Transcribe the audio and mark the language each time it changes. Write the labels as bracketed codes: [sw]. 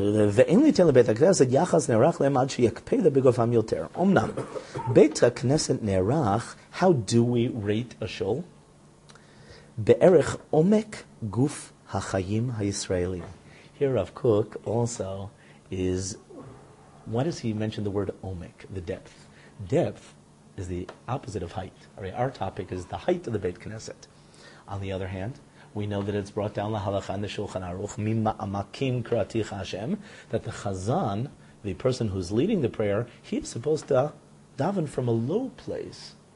[he] ואין ליתן לבית הכנסת יחס נערך להם עד שיקפד בגופם יותר. אמנם, בית הכנסת נערך, [en] how do we rate a shul? [he] בערך עומק גוף החיים הישראלי. [en] Here Rav Kook also is, why does he mention the word עומק, the depth? Depth is the opposite of height. Our topic is the height of the Beit Knesset. On the other hand, we know that it's brought down lahalacha in the Shulchan Aruch, [he] mima'amakim kratich Hashem, [en] that the chazan, the person who's leading the prayer, he's supposed to daven from a low place.